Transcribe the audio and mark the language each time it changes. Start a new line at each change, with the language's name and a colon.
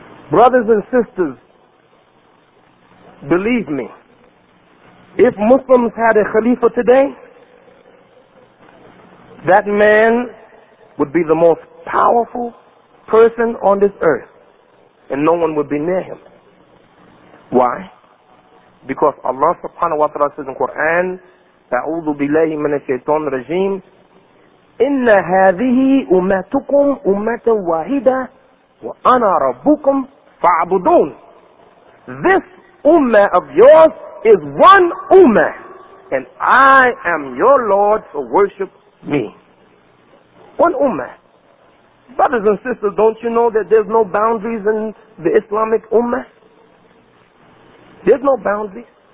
English: Brothers and sisters, believe me, if Muslims had a Khalifa today, that man would be the most powerful person on this earth, and no one would be near him. Why? Because Allah subhanahu wa ta'ala says in Quran,
Arabic: أَعُوذُ بِاللَّهِ مِنَ الشَّيْطَانِ الرَّجِيمِ إِنَّ هَذِهِ أُمَّتُكُمْ أُمَّةً وَاحِدَةً وَأَنَا رَبُّكُمْ فَعْبُدُونَ.
English: This ummah of yours is one ummah, and I am your Lord, so worship me. One ummah. Brothers and sisters, don't you know that there's no boundaries in the Islamic ummah? There's no boundaries.